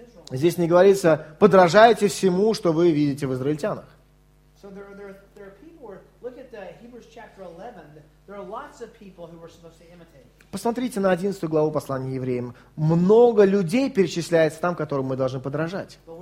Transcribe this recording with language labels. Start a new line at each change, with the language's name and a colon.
Russian: Здесь не говорится, подражайте всему, что вы видите в израильтянах.
English: So there are people, look at the Hebrews chapter 11, there are lots of people who were supposed to imitate.
Russian: Посмотрите на 11 главу послания евреям. Много людей перечисляется там, которым мы должны подражать.